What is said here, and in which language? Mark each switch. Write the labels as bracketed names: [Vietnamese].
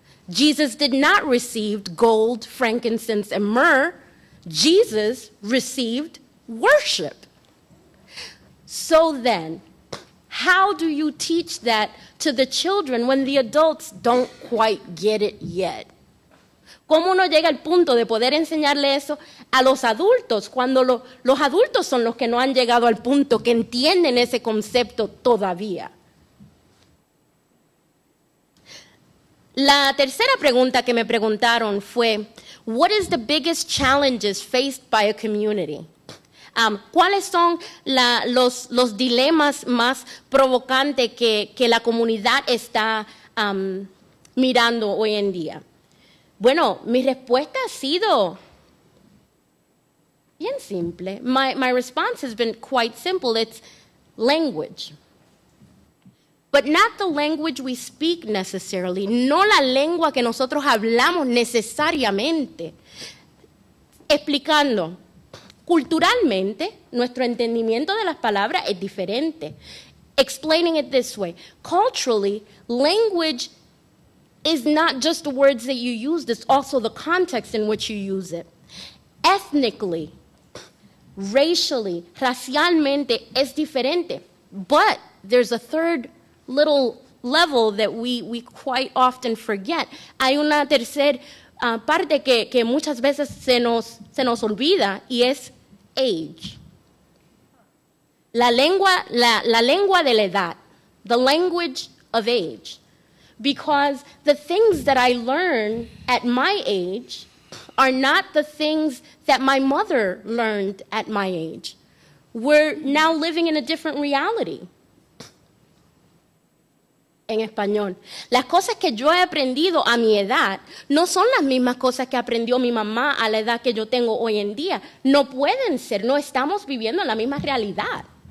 [English] Jesus did not receive gold, frankincense, and myrrh. Jesus received worship. So then, how do you teach that to the children when the adults don't quite get it yet? [Spanish] ¿Cómo uno llega al punto de poder enseñarle eso a los adultos cuando los adultos son los que no han llegado al punto que entienden ese concepto todavía? La tercera pregunta que me preguntaron fue, [English] what is the biggest challenges faced by a community? [Spanish] ¿Cuáles son los dilemas más provocantes que la comunidad está mirando hoy en día? Bueno, mi respuesta ha sido bien simple. [English] My response has been quite simple. It's language. But not the language we speak necessarily. [Spanish] No la lengua que nosotros hablamos necesariamente. Explicando, culturalmente, nuestro entendimiento de las palabras es diferente. [English] Explaining it this way. Culturally, language is not just the words that you use, it's also the context in which you use it. Ethnically, racially, [Spanish] racialmente, es diferente. [English] But there's a third little level that we quite often forget. [Spanish] Hay una tercera parte que muchas veces se nos olvida, y es [English] age. [Spanish] La lengua de la edad, [English] the language of age. Because the things that I learn at my age are not the things that my mother learned at my age. We're now living in a different reality. [Spanish] En español, las cosas que yo he aprendido a mi edad no son las mismas cosas que aprendió mi mamá a la edad que yo tengo hoy en día. No pueden ser, no estamos viviendo la misma realidad.